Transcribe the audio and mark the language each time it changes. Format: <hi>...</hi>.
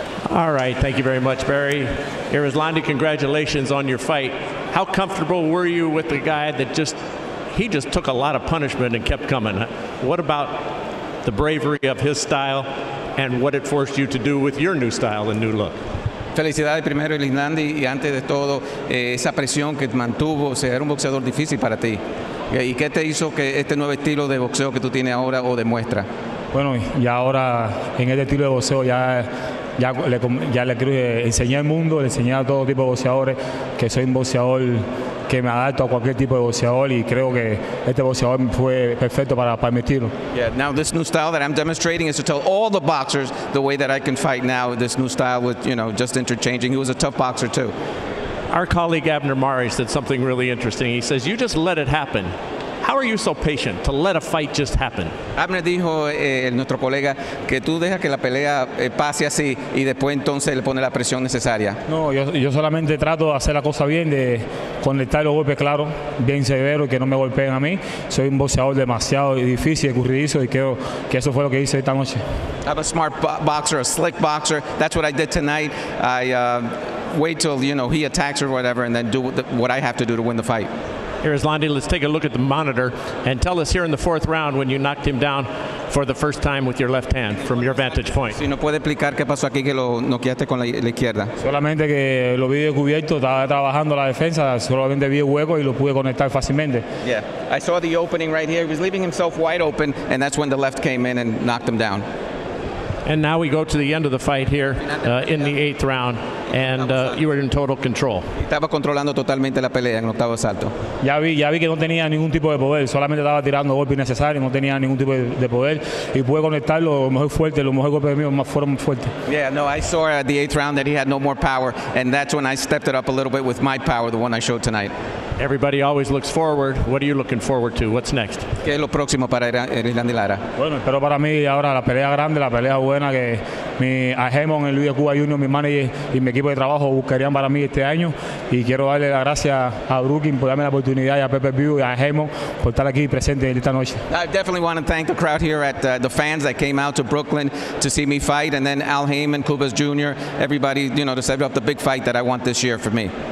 <en>All right, thank you very much, Barry. Erislandy, congratulations on your fight. How comfortable were you with the guy that just... He just took a lot of punishment and kept coming. What about the bravery of his style and what it forced you to do with your new style and new look?</en> <es>Felicidades primero, Erislandy, y antes de todo, esa presión que mantuvo, o sea, era un boxeador difícil para ti. ¿Y qué te hizo que este nuevo estilo de boxeo que tú tienes ahora o demuestra? Bueno, y ahora en este estilo de boxeo ya le enseñé al mundo, le enseñé a todo tipo de boxeadores que soy un boxeador que me adapto a cualquier tipo de boxeador y creo que este boxeador fue perfecto para mi estilo.</es> <en>Yeah, now this new style that I'm demonstrating is to tell all the boxers the way that I can fight now, this new style with, you know, just interchanging. He was a tough boxer too. Our colleague Abner Mari said something really interesting. He says, you just let it happen. How are you so patient to let a fight just happen?</en> <es>Abner dijo, nuestro colega, que tú dejas que la pelea pase así y después entonces le pone la presión necesaria. No, yo solamente trato de hacer la cosa bien, de conectar los golpes claros, bien severos y que no me golpeen a mí. Soy un boxeador demasiado difícil, escurridizo y creo que eso fue lo que hice esta noche.</es> <en>I'm a smart boxer, a slick boxer. That's what I did tonight. I wait till, you know, he attacks or whatever and then do what I have to do to win the fight. Erislandy, let's take a look at the monitor and tell us here in the fourth round when you knocked him down for the first time with your left hand from your vantage point.</en> <es>Si no puede explicar qué pasó aquí que lo noqueaste con la izquierda. Solamente que lo vi descubierto, estaba trabajando la defensa, solamente vi el hueco y lo pude conectar fácilmente. Yeah, I saw the opening right here. He was leaving himself wide open and that's when the left came in and knocked him down.</es> <en>And now we go to the end of the fight here in the eighth round, and you were in total control.</en> <es>Estaba controlando totalmente la pelea en octavo asalto. Ya vi que no tenía ningún tipo de poder, solamente estaba tirando golpes innecesarios, no tenía ningún tipo de poder, y pude conectar lo mejor fuerte, los mejores golpes míos fueron más fuertes.</es> <en>Yeah, no, I saw at the eighth round that he had no more power, and that's when I stepped it up a little bit with my power, the one I showed tonight. Everybody always looks forward. What are you looking forward to? What's next?</en> <es>¿Qué es lo próximo para Erislandy Lara? Bueno, espero para mí ahora la pelea grande, la pelea buena que mi agente en Luis Cuba Junior, mi manager y mi equipo de trabajo buscarían para mí este año. Y quiero darle las gracias a Brooklyn por darme la oportunidad y a Pepe View y a Hemon por estar aquí presente esta noche.</es> <en>I definitely want to thank the crowd here at the fans that came out to Brooklyn to see me fight. And then Al Haymon, Cubas Jr., everybody, you know, to set up the big fight that I want this year for me.</en>